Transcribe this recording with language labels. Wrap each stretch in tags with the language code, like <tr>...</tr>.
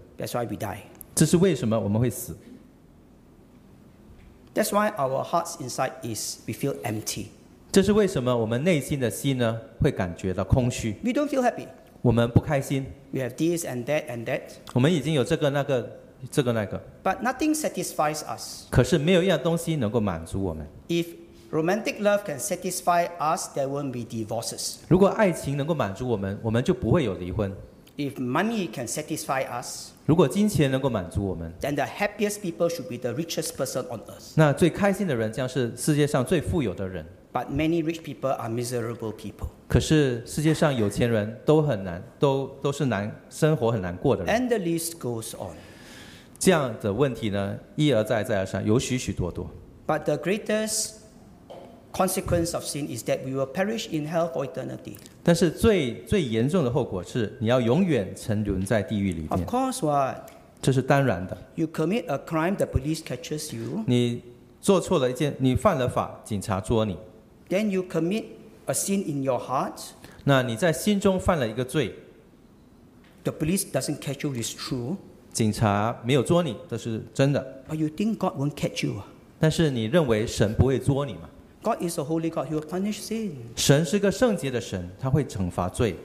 <en>That's why we die.</en> <zh>这是为什么我们会死。</zh> <en>That's why our hearts inside is we feel empty.</en> <zh>这是为什么我们内心的心呢会感觉到空虚。</zh> <en>We don't feel happy.</en> <zh>我们不开心。</zh> <en>We have this and that and that.</en> <zh>我们已经有这个那个。这个那个、</zh> <en>But nothing satisfies us.</en> <zh>可是没有一样东西能够满足我们。</zh> <en>If romantic love can satisfy us, there won't be divorces.</en> <zh>如果爱情能够满足我们，我们就不会有离婚。</zh> <en>If money can satisfy us,</en> <zh>如果金钱能够满足我们</zh> <en>，then the happiest people should be the richest person on earth.</en> <zh>那最开心的人将是世界上最富有的人。</zh> <en>But many rich people are miserable people.</en> <zh>可是世界上有钱人都很难，都是难生活很难过的人。</zh> <en>And the list goes on.</en> <zh>这样的问题呢，一而再，再而三，有许许多多。</zh> <en>But the greatest consequence of sin is that we will perish in hell for eternity.</en> <zh>但是最严重的后果是，你要永远沉沦在地狱里面。</zh> <en>Of course, what?</en> <zh>这是当然的。</zh> <en>You commit a crime, the police catches you.</en> <zh>你做错了一件，你犯了法，警察捉你。</zh> <en>Then you commit a sin in your heart.</en> <zh>那你在心中犯了一个罪。</zh> <en>The police doesn't catch you is true.</en> <zh>警察没有捉你，这是真的。</zh> <en>But you think God won't catch you?</en> <zh>但是你认为神不会捉你吗</zh> <en>？God is a holy God; He will punish sin.</en> <zh>神是个圣洁的神，他会惩罚罪。</zh>